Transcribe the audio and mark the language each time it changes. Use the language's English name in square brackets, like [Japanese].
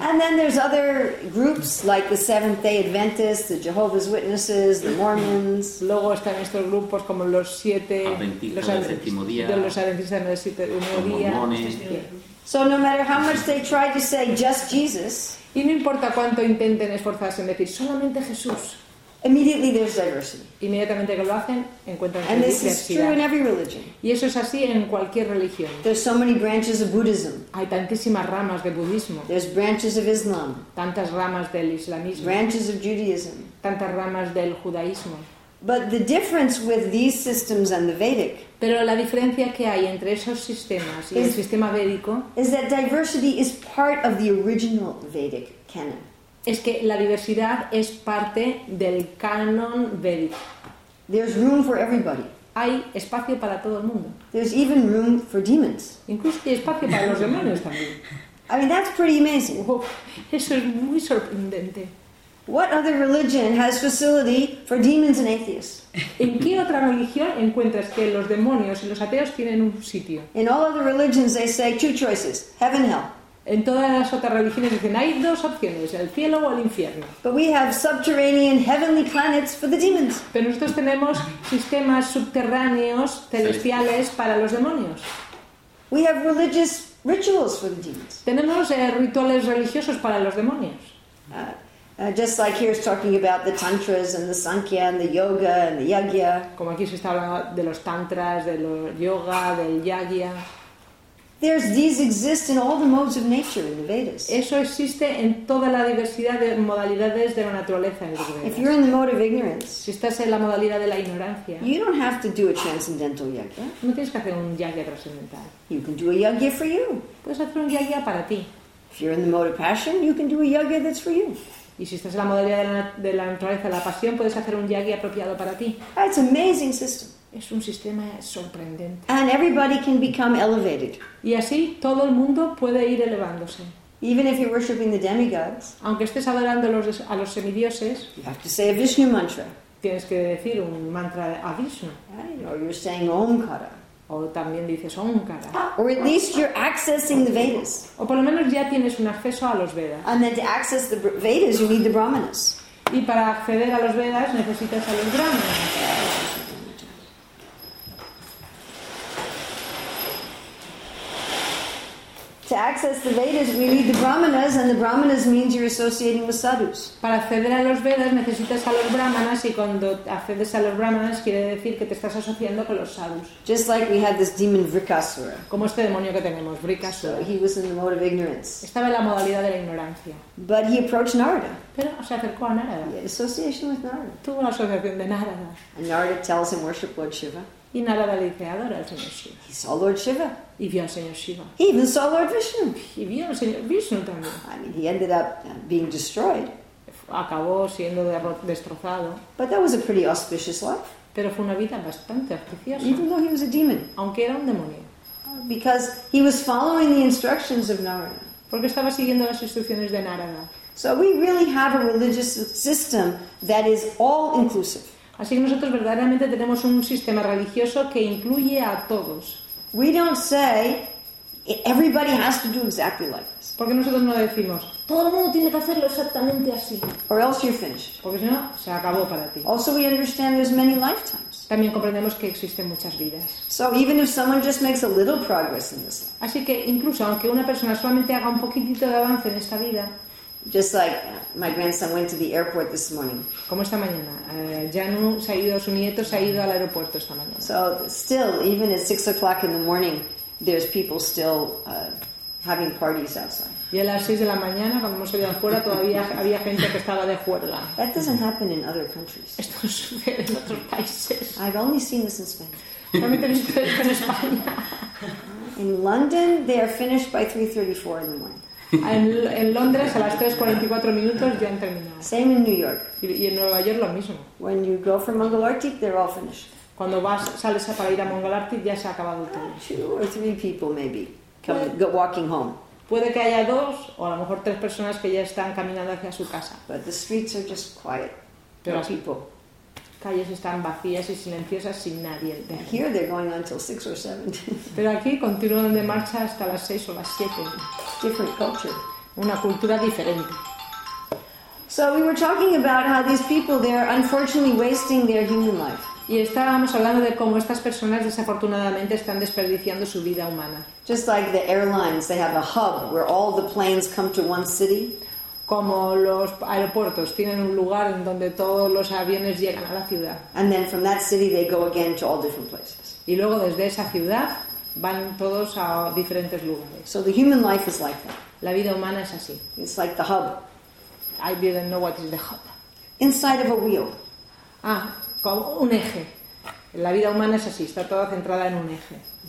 [English] And then there's other groups like the Seventh-day Adventists, the Jehovah's Witnesses, the Mormons. [Spanish] Luego están estos grupos como los siete, los adventistas del séptimo día. [English] So no matter how much they try to say just Jesus, [Spanish] y no importa cuánto intenten esforzarse en decir solamente Jesús, [English] immediately there's diversity. [Spanish] Inmediatamente que lo hacen, encuentran [English] diversidad. And this is true in every religion. [Spanish] Y eso es así en cualquier religión. [English] There's so many branches of Buddhism. [Spanish] Hay tantísimas ramas de budismo. [English] There's branches of Islam. [Spanish] Tantas ramas del islamismo. [English] Branches of Judaism. [Spanish] Tantas ramas del judaísmo. [English] But the difference with these systems and the Vedic. [Spanish] Pero la diferencia que hay entre esos sistemas y el sistema védico [English] is that diversity is part of the original Vedic canon. [Spanish] Es que la diversidad es parte del canon védico. [English] There's room for everybody. [Spanish] hay espacio para todo el mundo. [English] There's even room for demons. [Spanish] Incluso hay espacio para los demonios también. [English] I mean, that's pretty amazing. [Spanish] Uf, eso es muy sorprendente. [English] What other religion has facility for demons and atheists? [Spanish] ¿En qué otra religión encuentras que los demonios y los ateos tienen un sitio? [English] In all other religions, they say two choices: heaven, hell. [Spanish] En todas las otras religiones dicen hay dos opciones: el cielo o el infierno. [English] But we have subterranean heavenly planets for the demons. [Spanish] Pero nosotros tenemos sistemas subterráneos celestiales para los demonios. [English] We have religious rituals for the demons. [Spanish] Tenemos rituales religiosos para los demonios. [English] Just like here's talking about the tantras and the sankhya and the yoga and the yagya. [Spanish] Como aquí se está hablando de los tantras, de los yoga, del yagya. [English] These exist in all the modes of nature in the Vedas. [Spanish] Eso existe en toda la diversidad de modalidades de la naturaleza en los Vedas. [English] If you're in the mode of ignorance, [Spanish] si estás en la modalidad de la ignorancia, [English] you don't have to do a transcendental yagya. [Spanish] No tienes que hacer un yagya trascendental. [English] You can do a yagya for you. [Spanish] Puedes hacer un yagya para ti. [English] If you're in the mode of passion, you can do a yagya that's for you. [Spanish] Y si estás en la modalidad de la naturaleza, la pasión, puedes hacer un yagi apropiado para ti. [English] It's amazing system. [Spanish] Es un sistema sorprendente. [English] And everybody can become elevated. [Spanish] Y así todo el mundo puede ir elevándose. [English] Even if you're worshiping the demigods, [Spanish] aunque estés adorando a los semidioses, [English] you have to say a Vishnu mantra. [Spanish] Tienes que decir un mantra a Vishnu. [English] Right? Or you're saying Omkara. [Spanish] O también dices Omkara. [English] Or at least you're accessing the Vedas. [Spanish] O por lo menos ya tienes un acceso a los Vedas. [English] And then to access the Vedas, you need the Brahmanas. [Spanish] Y para acceder a los Vedas necesitas a los Brahmanas. [English] To access the Vedas, we need the Brahmanas, and the Brahmanas means you're associating with sadhus. [Spanish] Para acceder a los Vedas necesitas a los Brahmanas, y cuando accedes a los Brahmanas quiere decir que te estás asociando con los sadhus. [English] Just like we had this demon Vrikasura. [Spanish] Como este demonio que tenemos, Vrikasura. [English] So he was in the mode of ignorance. [Spanish] Estaba en la modalidad de la ignorancia. [English] But he approached Narada. [Spanish] Pero se acercó a Narada. [English] Yeah, association with Narada. [Spanish] Tuvo una asociación de Narada. [English] And Narada tells him, worship Lord Shiva. [Spanish] Y Narada le dice, adora al Señor Shiva. [English] He saw Lord Shiva. [Spanish] Y vio al Señor Shiva. [English] He even saw Lord Vishnu. [Spanish] Y vio al Señor Vishnu también. [English] I mean, he ended up being destroyed. [Spanish] Acabó siendo destrozado. [English] But that was a pretty auspicious life. [Spanish] Pero fue una vida bastante auspiciosa. [English] Even though he was a demon. [Spanish] Aunque era un demonio. [English] Because he was following the instructions of Narada. [Spanish] Porque estaba siguiendo las instrucciones de Narada. [English] So we really have a religious system that is all inclusive. [Spanish] Así que nosotros verdaderamente tenemos un sistema religioso que incluye a todos. [English] We don't say everybody has to do exactly like this. [Spanish] Porque nosotros no decimos todo el mundo tiene que hacerlo exactamente así. [English] Or else you're finished. [Spanish] Porque si no, se acabó para ti. [English] Also we understand there's many lifetimes. [Spanish] También comprendemos que existen muchas vidas. [English] So even if someone just makes a little progress in this life. [Spanish] Así que incluso aunque una persona solamente haga un poquitito de avance en esta vida. [English] Just like my grandson went to the airport this morning. [Spanish] ¿Cómo esta mañana? Janu se ha ido, su nieto se ha ido al aeropuerto esta mañana. [English] So still, even at 6 o'clock in the morning, there's people still having parties outside. [Spanish] Y a las 6 de la mañana, cuando hemos salido afuera, todavía había gente que estaba de juerga. [English] That doesn't happen in other countries. [Spanish] Esto no sucede en otros países. [English] I've only seen this in Spain. [Spanish] Solamente he visto esto en España. [English] In London, they are finished by 3:34 in the morning. [Spanish] En Londres a las 3:44 minutos ya han terminado. [English] Same in New York. [Spanish] Y en Nueva York lo mismo. [English] When you go for Mongolartic, they're all finished. [Spanish] Cuando sales para ir a Mongolartic ya se ha acabado todo. [English] Two or three people maybe coming, walking home. [Spanish] Puede que haya dos o a lo mejor tres personas que ya están caminando hacia su casa. [English] But the streets are just quiet. [Spanish] Pero las calles están vacías y silenciosas sin nadie. [English] Here they're going on till 6 or 7. [Spanish] Pero aquí continúan de marcha hasta las 6 o las 7. [English] Different culture. [Spanish] Una cultura diferente. [English] So we were talking about how these people they are unfortunately wasting their human life. [Spanish] Y estábamos hablando de cómo estas personas desafortunadamente están desperdiciando su vida humana. [English] Just like the airlines, they have a hub where all the planes come to one city. [Spanish] Como los aeropuertos tienen un lugar en donde todos los aviones llegan a la ciudad. [English] And then from that city they go again to all different places. [Spanish] Y luego desde esa ciudad van todos a diferentes lugares. [English] So the human life is like that. [Spanish] La vida humana es así. [English] It's like the hub. I didn't know what is the hub. Inside of a wheel. [Spanish] Ah, como un eje. La vida humana es así, está toda centrada en un eje.